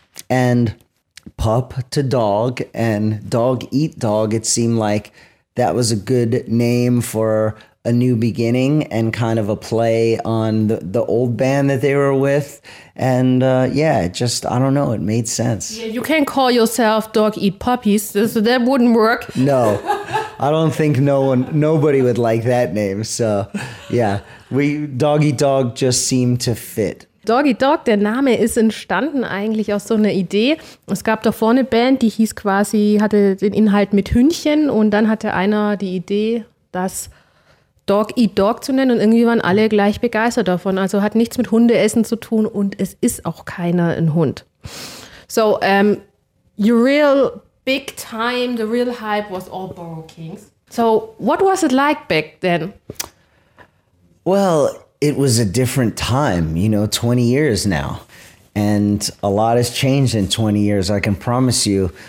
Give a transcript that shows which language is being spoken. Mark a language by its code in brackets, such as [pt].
[en] And pup to dog and dog eat dog, it seemed like that was a good name for a new beginning and kind of a play on the old band that they were with. And I don't know, it made sense. Yeah, you can't call yourself Dog Eat Puppies, so that wouldn't work. No, I don't think nobody would like that name. So yeah, Dog Eat Dog just seemed to fit. [de] Doggy Dog, der Name ist entstanden eigentlich aus so einer Idee. Es gab da vorne eine Band, die hieß quasi, hatte den Inhalt mit Hündchen und dann hatte einer die Idee, das Dog Eat Dog zu nennen und irgendwie waren alle gleich begeistert davon. Also hat nichts mit Hundeessen zu tun und es ist auch keiner ein Hund. [en] So, your real big time, the real hype was all Borough Kings. So, what was it like back then? Well, it was a different time, you know, 20 years now. And a lot has changed in 20 years, I can promise you.